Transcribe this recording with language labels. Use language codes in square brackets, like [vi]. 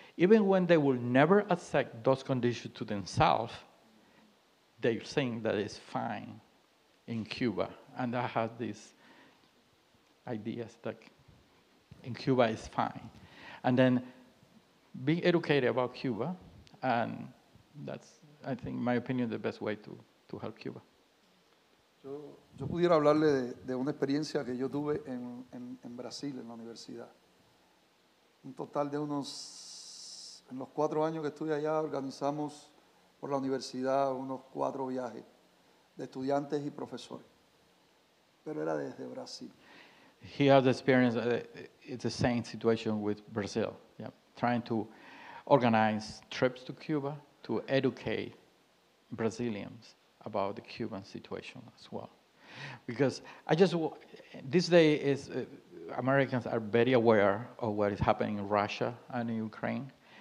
[en] Even when they will never accept those conditions to themselves, they think that it's fine in Cuba. And that has these ideas that in Cuba is fine. And then being educated about Cuba, and that's, I think, in my opinion, the best way to help Cuba. [es] Yo pudiera hablarle de una experiencia que yo tuve en Brasil, en la universidad. Un total de unos, en los cuatro años que estuve allá, organizamos por la universidad unos cuatro viajes de estudiantes y profesores. Pero era desde Brasil. [en] He has experience, it's the same situation with Brazil. Yeah. Trying to organize trips to Cuba to educate Brazilians about the Cuban situation as well. Because I just, this day is, Americans are very aware of what is happening in Russia and in Ukraine.